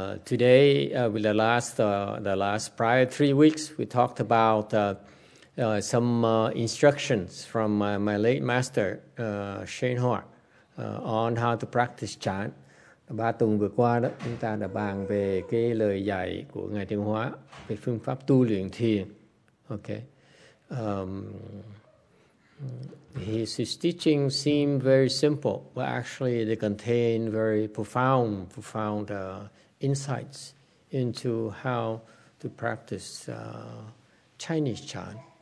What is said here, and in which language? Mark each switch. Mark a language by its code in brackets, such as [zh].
[en] Today, the last prior 3 weeks, we talked about some instructions from my late master, Shane Hoa, on how to practice Chan. [vi] 3 tuần vừa qua đó, chúng ta đã bàn về cái lời dạy của Ngài Tiên Hóa về phương pháp tu luyện thiền. [en] Okay. His teachings seem very simple, but actually they contain very profound insights into how to practice Chinese Chan.